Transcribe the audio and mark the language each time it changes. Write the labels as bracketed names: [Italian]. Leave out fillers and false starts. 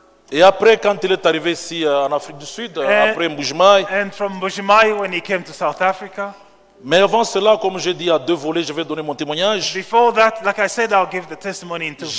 [French] Et après, quand il est arrivé ici en Afrique du Sud, après Mbujimayi. [English] And from Mbujimayi when he came to South Africa. [French] Mais avant cela, comme j'ai dit à deux volets, je vais donner mon témoignage. [English] Before that, like I said, I'll give the testimony in two phases.